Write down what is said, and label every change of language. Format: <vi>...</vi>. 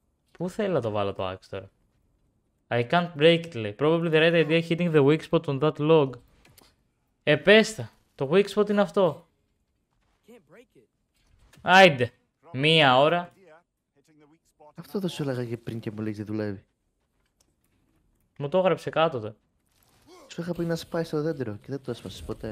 <el>Πού θέλει να το βάλω το axe τώρα.</el> <en>I can't break it,</en> <el>λέει.</el> <en>Probably the right idea hitting the weak spot on that log.</en> <el>Επέστα. Το weak spot είναι αυτό. Άιντε. Μία ώρα. Αυτό το σου έλεγα και πριν και μου λέει δεν δουλεύει. Μου το έγραψε κάτω τε. Σου είχα πει να σε πάει στο δέντρο και δεν το έσπασες ποτέ.</el>